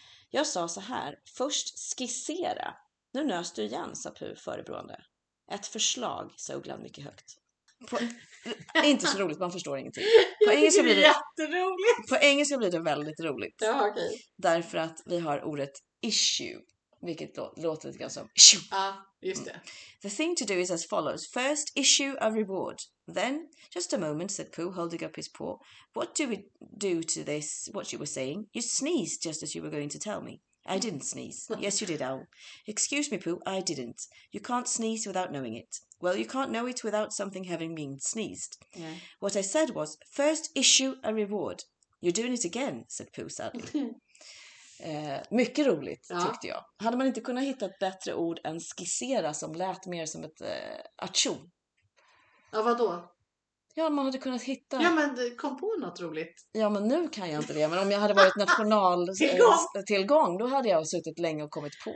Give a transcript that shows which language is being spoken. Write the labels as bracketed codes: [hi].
[sv] Jag sa så här, först skissera. Nu nös du igen, sa Puh förebrående. Ett förslag, sa Uggla mycket högt. På, inte så roligt, man förstår ingenting. På engelska blir det jätteroligt. På engelska blir det väldigt roligt. Ja, okay. Därför att vi har ordet issue, vilket då låter lite grann som issue. Ja, just det. [en] The thing to do is as follows. First, issue a reward. Then, just a moment, said Pooh, holding up his paw. What do we do to this, what you were saying? You sneezed just as you were going to tell me. I didn't sneeze. Yes, you did, Owl. Excuse me, Pooh, I didn't. You can't sneeze without knowing it. Well, you can't know it without something having been sneezed. Yeah. What I said was, first issue a reward. You're doing it again, said Pooh sadly. [sv] mycket roligt, ja. Tyckte jag. Hade man inte kunnat hitta ett bättre ord än skissera som lät mer som ett atcho? Ja, vadå? Ja, man hade kunnat hitta... Ja, men kom på något roligt. Ja, men nu kan jag inte det. Men om jag hade varit national tillgång, då hade jag suttit länge och kommit på det,